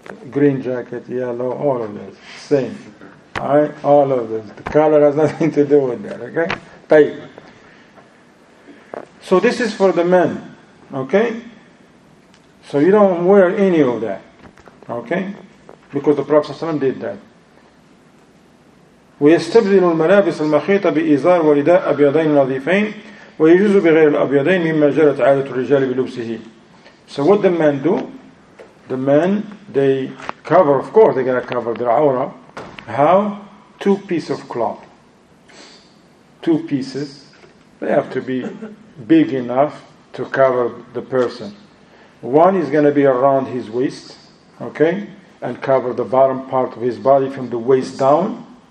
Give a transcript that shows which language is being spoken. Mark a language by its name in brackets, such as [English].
[English] Green jacket, yellow, all of this. Same. Alright? All of this. The color has nothing to do with that, okay? Tayyip. So this is for the men, okay? So you don't wear any of that, okay? Because the Prophet ﷺ did that. [Arabic] ويستبدل الملابس المخيطة بإزار ورداء أبيضين نظيفين ويجوز بغير الأبيضين مما جرت عادة الرجال بلبسه. [English] So what the men do? The men, they cover, of course, they gotta cover their aura. How? Two pieces of cloth. Two pieces. They have to be big enough to cover the person. One is gonna be around his waist, okay, and cover the bottom part of his body from the waist down.